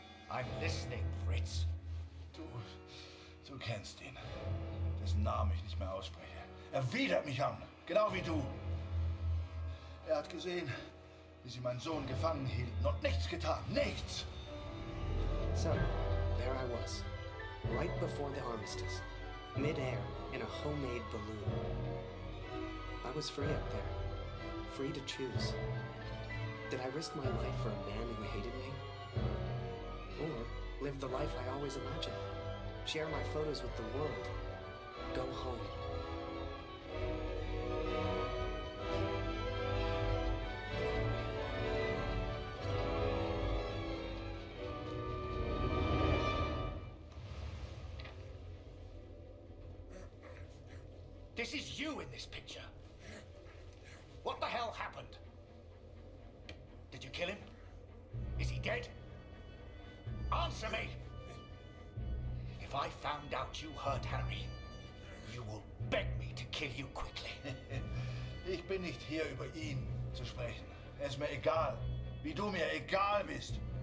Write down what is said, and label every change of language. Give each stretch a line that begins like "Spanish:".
English: I'm listening, Fritz.
German: Du kennst ihn. Dessen Namen ich nicht mehr ausspreche. Widert mich an, genau wie du. Hat gesehen, wie sie meinen Sohn gefangen hielten und nichts getan, nichts.
English: So, there I was, right before the armistice. Mid-air, in a homemade balloon. I was free up there. Free to choose. Did I risk my life for a man who hated me? Or live the life I always imagined? Share my photos with the world? Go home. This is you in this picture. What the hell happened? Did you kill him? Is he dead? Answer me! If I found out you hurt Harry, you will beg me to kill you quickly.
German: Ich bin nicht hier, über ihn zu sprechen. Es mir egal, wie du mir egal bist.